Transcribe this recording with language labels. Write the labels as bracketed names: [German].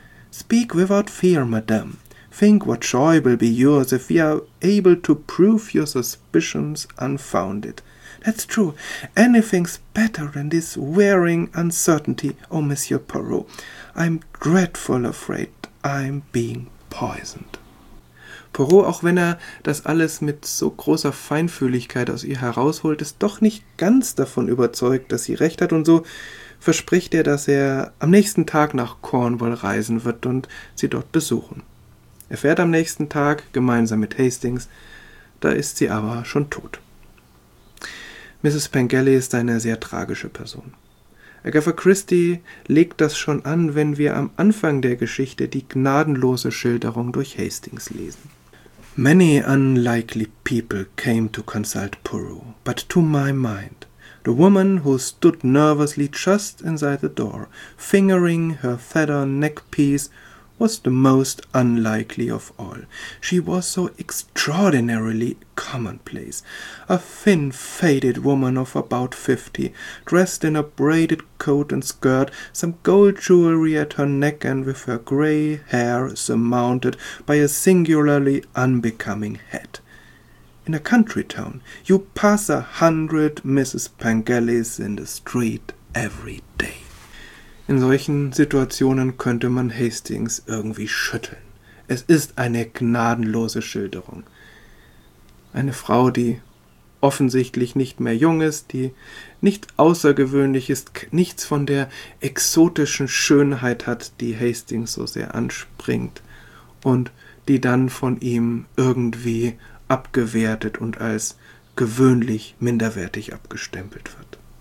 [English] Speak without fear, madame. Think what joy will be yours if we are able to prove your suspicions unfounded. That's true. Anything's better than this wearing uncertainty, oh, Monsieur Poirot. I'm dreadful afraid I'm being poisoned. [German] Poirot, auch wenn er das alles mit so großer Feinfühligkeit aus ihr herausholt, ist doch nicht ganz davon überzeugt, dass sie recht hat, und so verspricht er, dass er am nächsten Tag nach Cornwall reisen wird und sie dort besuchen. Er fährt am nächsten Tag gemeinsam mit Hastings, da ist sie aber schon tot. Mrs. Pengelly ist eine sehr tragische Person. Agatha Christie legt das schon an, wenn wir am Anfang der Geschichte die gnadenlose Schilderung durch Hastings lesen. [English] Many unlikely people came to consult Poirot, but to my mind, the woman who stood nervously just inside the door, fingering her feather neckpiece, was the most unlikely of all. She was so extraordinarily commonplace. A thin, faded woman of about 50, dressed in a braided coat and skirt, some gold jewelry at her neck, and with her grey hair surmounted by a singularly unbecoming hat. In a country town, you pass 100 Mrs. Pengellys in the street every day. [German] In solchen Situationen könnte man Hastings irgendwie schütteln. Es ist eine gnadenlose Schilderung. Eine Frau, die offensichtlich nicht mehr jung ist, die nicht außergewöhnlich ist, nichts von der exotischen Schönheit hat, die Hastings so sehr anspringt und die dann von ihm irgendwie abgewertet und als gewöhnlich minderwertig abgestempelt wird.